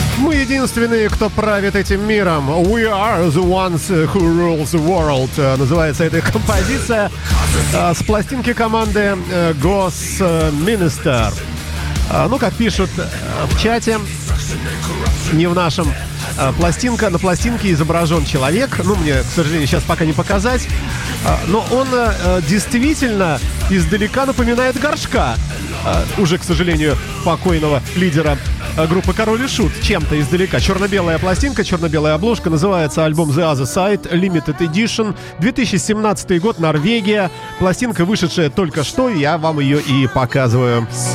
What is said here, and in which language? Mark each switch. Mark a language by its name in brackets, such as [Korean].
[Russian] Единственные, кто правит этим миром. [English] We are the ones who rule the world. [Russian] Называется эта композиция с пластинки команды Gothminister. Ну, как пишут в чате, не в нашем. Пластинка, на пластинке изображен человек. Ну, мне, к сожалению, сейчас пока не показать. Но он действительно издалека напоминает горшка. Уже, к сожалению, покойного лидера группы «Король и Шут» чем-то издалека. Черно-белая пластинка, черно-белая обложка. Называется альбом «The Other Side» Limited Edition. 2017 год, Норвегия. Пластинка, вышедшая только что, я вам ее и показываю.